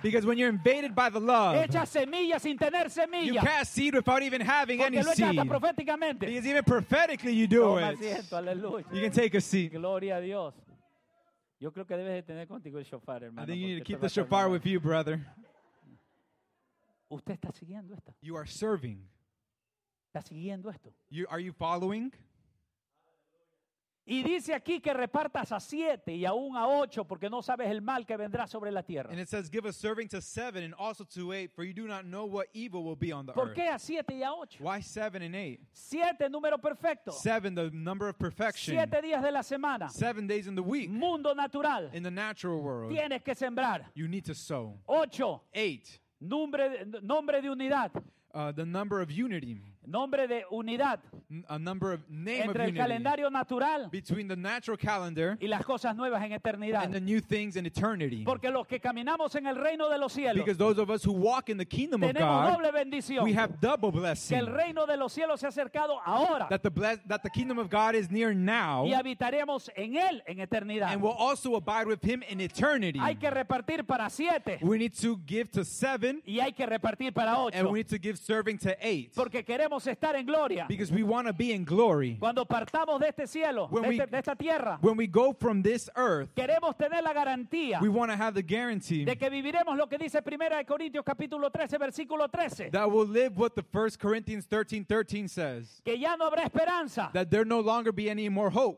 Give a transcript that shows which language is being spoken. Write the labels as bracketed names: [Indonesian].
[English] Because when you're invaded by the love. [Spanish] Echas semillas sin tener semilla. [English] You cast seed without even having [Spanish] porque [English] any seed. [Spanish] Lo echas proféticamente. [English] Because even prophetically you do [Spanish] toma [English] it. [Spanish] Asiento, aleluya. [English] You can take a seat. [Spanish] Gloria a Dios. Yo creo que debes de tener contigo el shofar, hermano. [English] I think you need to keep the shofar with you, brother. [Spanish] ¿Usted está siguiendo esto? [English] You are serving. [Spanish] ¿Está siguiendo esto? [English] You, are you following? [Spanish] Y dice aquí que repartas a siete y aún a ocho porque no sabes el mal que vendrá sobre la tierra. [English] And it says, give a serving to seven and also to eight, for you do not know what evil will be on the earth. [Spanish] ¿Por qué a siete y a ocho? [English] Why seven and eight? [Spanish] Siete, número perfecto. [English] Seven, the number of perfection. [Spanish] Siete días de la semana. [English] Seven days in the week. [Spanish] Mundo natural. [English] In the natural world. [Spanish] Tienes que sembrar. [English] You need to sow. [Spanish] Ocho. [English] Eight. [Spanish] Nombre de unidad. [English] The number of unity. [Spanish] Nombre de unidad. [English] A number of name [Spanish] entre [English] of [Spanish] el calendario natural. [English] Between the natural calendar. [Spanish] Y las cosas nuevas en eternidad. [English] And the new things in eternity. [Spanish] Porque los que caminamos en el reino de los cielos. [English] Because those of us who walk in the kingdom [Spanish] tenemos [English] of God. [Spanish] Doble bendición. [English] We have double blessing. [Spanish] Que el reino de los cielos se ha acercado ahora. [English] That the kingdom of God is near now. [Spanish] Y habitaremos en él en eternidad. [English] And we'll also abide with him in eternity. [Spanish] Hay que repartir para siete. [English] We need to give to seven. [Spanish] Y hay que repartir para ocho. [English] And we need to give serving to eight. [Spanish] Porque queremos estar en gloria. [English] Because we want to be in glory. [Spanish] Cuando partamos de este cielo, de esta tierra, [English] when we go from this earth, [Spanish] queremos tener la garantía. [English] We want to have the guarantee [Spanish] de que viviremos lo que dice 1 Corintios capítulo 13 versículo 13. [English] That we'll live what the 1 Corinthians 13:13 says. [Spanish] Que ya no habrá esperanza. [English] That there no longer be any more hope.